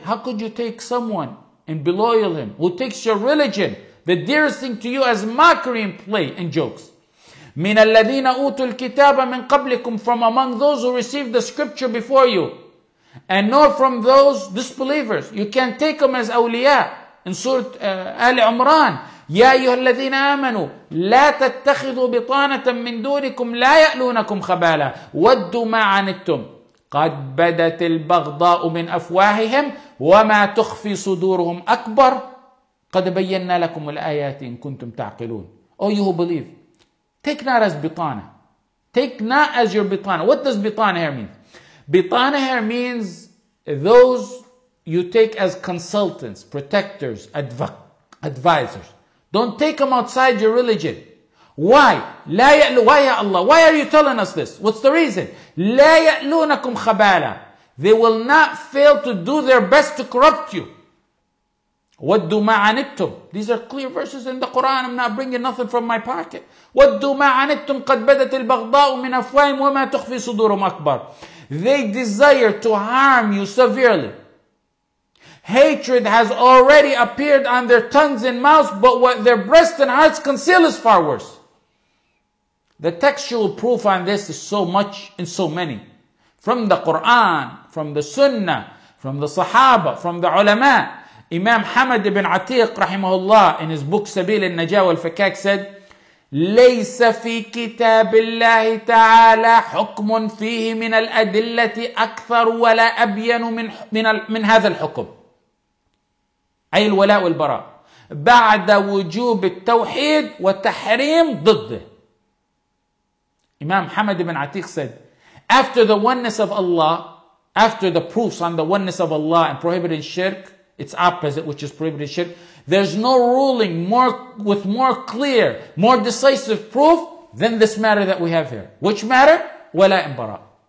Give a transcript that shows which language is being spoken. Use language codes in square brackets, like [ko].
[en] How could you take someone and be loyal to him who takes your religion, the dearest thing to you, as mockery and play and jokes? [ar] من الذين أوتوا الكتاب من قبلكم, [en] from among those who received the scripture before you, and nor from those disbelievers. You can't take them as أولياء. [ar] In Surah Ali Imran, يا أيها الذين آمنوا لا تتخذوا بطانة من دونكم لا يألونكم خبالا ودوا ما عنتم قد بدت البغضاء من أفواههم وما تخفي صدورهم أكبر قد بينا لكم الآيات إن كنتم تعقلون. [en] Oh, you who believe, take not as bitana. Take not as your bitana. What does bitana here mean? Bitana here means those you take as consultants, protectors, advisors. Don't take them outside your religion. Why? Why, Ya Allah? Why are you telling us this? What's the reason? [ar] لا يألونكم خبالا. [en] They will not fail to do their best to corrupt you. [ar] وَدُّوا مَا عَنِتُّمْ. [en] These are clear verses in the Quran. I'm not bringing nothing from my pocket. [ar] وَدُّوا مَا عَنِتُّمْ قَدْ بَدَتِ الْبَغْضَاءُ مِنْ أَفْوَاهِمْ وَمَا تُخْفِي صُدُورُهُمْ أَكْبَرُ. [en] They desire to harm you severely. Hatred has already appeared on their tongues and mouths, but what their breasts and hearts conceal is far worse. The textual proof on this is so much and so many. From the Quran, from the Sunnah, from the Sahaba, from the ulama. Imam Hamad ibn Atiq rahimahullah, in his book Sabil al-Najah wal-Fakak, said, [ar] لَيْسَ فِي كِتَابِ اللَّهِ تَعَالَى حُكْمٌ فِيهِ مِنَ الْأَدِلَّةِ أَكْثَرُ وَلَا أَبْيَنُ مِنْ هَذَا الْحُكْمِ. أي الولاء والبراء. بعد وجوب التوحيد وتحريم ضده. [en] Imam Hamad ibn Atiq said, after the oneness of Allah, after the proofs on the oneness of Allah and prohibiting shirk, its opposite, which is prohibited shirk, there's no ruling more with more clear, more decisive proof than this matter that we have here. Which matter? Wala and bara.